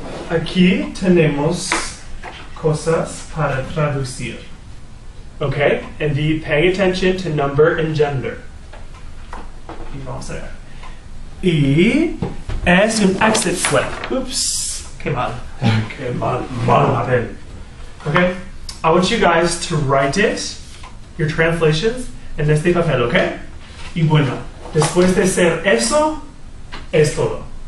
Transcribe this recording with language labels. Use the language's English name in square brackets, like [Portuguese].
[Spanish] aquí tenemos cosas para traducir. [English] Okay, and be paying attention to number and gender. [Spanish] Y vamos a ver. Y es un exit slip. Oops. Qué mal. Qué mal. Mal papel. [English] Okay, I want you guys to write it, your translations, [Spanish] en este papel, [English] okay? [Spanish] Y bueno, después de ser eso, es todo.